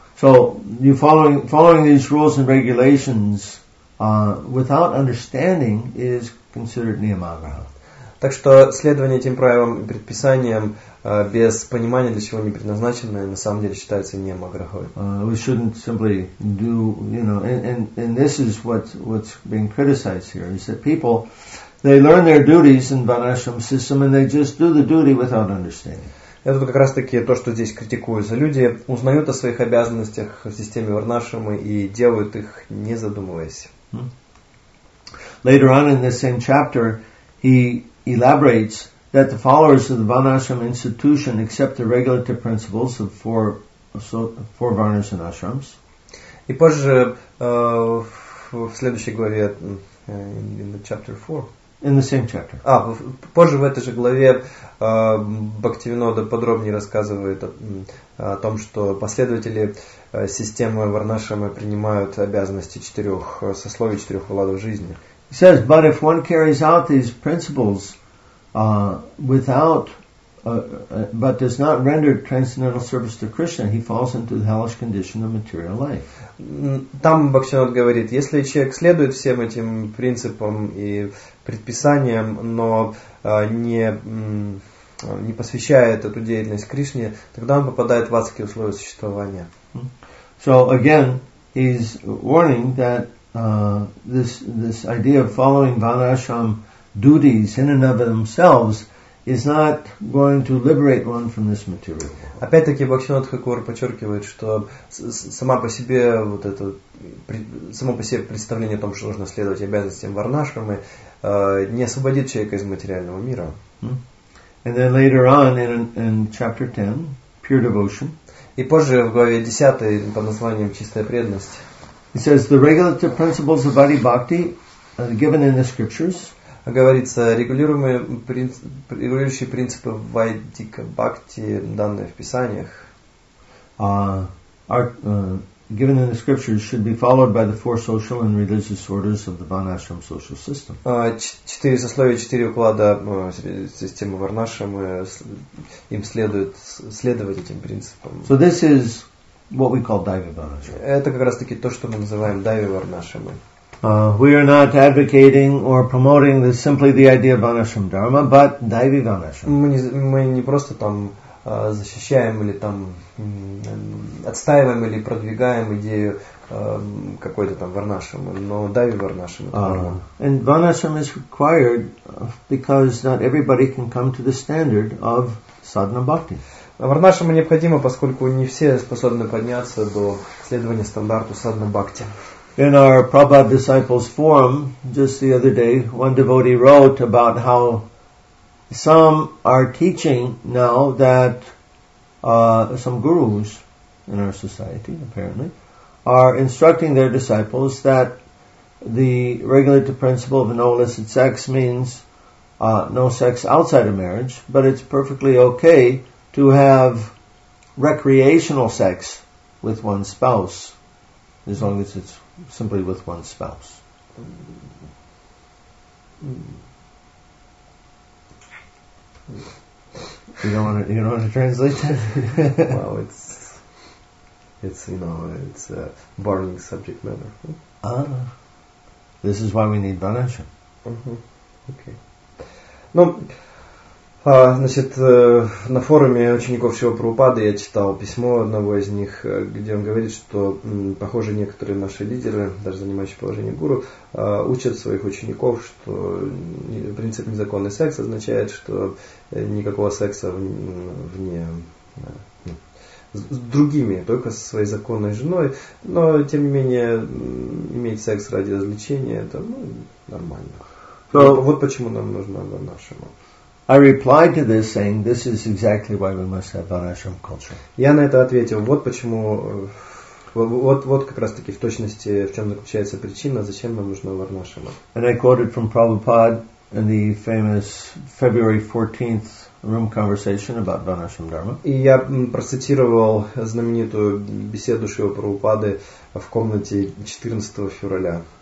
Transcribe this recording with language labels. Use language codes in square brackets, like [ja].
[en] So you following these rules and regulations without understanding is considered niyamagraha. [ru] Так что следование этим правилам и предписаниям без понимания, для чего они предназначены, на самом деле считается ниямаграхой. [en] We shouldn't simply do, you know, and this is what's being criticized here, is that people, they learn their duties in Varnashram system and they just do the duty without understanding. [ru] Это как раз-таки то, что здесь критикуется. Люди узнают о своих обязанностях в системе Варнашрамы и делают их, не задумываясь. [en] Later on in this same chapter, he elaborates that the followers of the Varnashram institution accept the regulative principles of four Varnas and Ashrams. [ru] И позже, в следующей главе, [en] in the chapter 4. In the same chapter. [ru] Позже в этой же главе Бхактивинода подробнее рассказывает о том, что последователи системы Варнашрама принимают обязанности четырех сословий, четырех владов жизни. [en] He says, but if one carries out these principles but does not render transcendental service to Krishna, he falls into the hellish condition of material life. [ru] Там Бхактивинод говорит, если человек следует всем этим принципам и предписаниям, но не посвящает эту деятельность Кришне, тогда он попадает в адские условия существования. [en] So again, he's warning that this idea of following Varnashram duties in and of themselves is not going to liberate one from this material. [ru] Опять-таки Бхактивинод Хакур подчеркивает, что само по себе представление о том, что нужно следовать обязанностям Варнашрамы, не освободит человека из материального мира. [en] And then later on in chapter 10, pure devotion. [ru] И позже в главе 10 под названием «Чистая преданность». [en] He says the regulative principles of Adi Bhakti given in the scriptures. [ru] Говорится, регулирующие принципы Вайдика Бхакти, данные в Писаниях, [en] given in the scriptures, should be followed by the four social and religious orders of the Varnashram social system. [ru] Четыре сословия, четыре уклада системы Варнашрамы, им следует следовать этим принципам. [en] So this is what we call Daiva Varnashrama. [ru] Это как раз таки то, что мы называем Daiva Varnashrama. [en] We are not advocating or promoting this, simply the idea of Varnashram Dharma, but Daiva Varnashrama. [ru] Мы не просто там защищаем или там отстаиваем или продвигаем идею какой-то там Варнашрамы, но Daiva Varnashrama. [en] And Varnashrama is required because not everybody can come to the standard of Sadhana Bhakti. [ru] Варнашрама необходимо, поскольку не все способны подняться до следования стандарту садхана бхакти. [en] In our Prabhupada Disciples Forum, just the other day, one devotee wrote about how some are teaching now that some gurus in our society, apparently, are instructing their disciples that the regulative principle of no illicit sex means no sex outside of marriage, but it's perfectly okay to have recreational sex with one spouse, as long as it's simply with one spouse. You don't want to translate that? Well, it's you know, it's a burning subject matter. This is why we need Banasha. Okay. [ru] Ну, значит, на форуме учеников Шрилы Прабхупады я читал письмо одного из них, где он говорит, что, похоже, некоторые наши лидеры, даже занимающие положение гуру, учат своих учеников, что принцип незаконный секс означает, что никакого секса вне... с другими, только со своей законной женой, но тем не менее иметь секс ради развлечения это ну, нормально. So, вот почему нам нужно Варнашрама. [en] I replied to this saying, this is exactly why we must have Varnashram culture. [ru] Я на это ответил, вот почему вот как раз таки в точности в чем заключается причина, зачем нам нужно Варнашрама. [en] And I quoted from Prabhupada in the famous February 14th room conversation about Varnashram Dharma. [ru] И я процитировал знаменитую беседу Шрилы Прабхупады в комнате 14 февраля.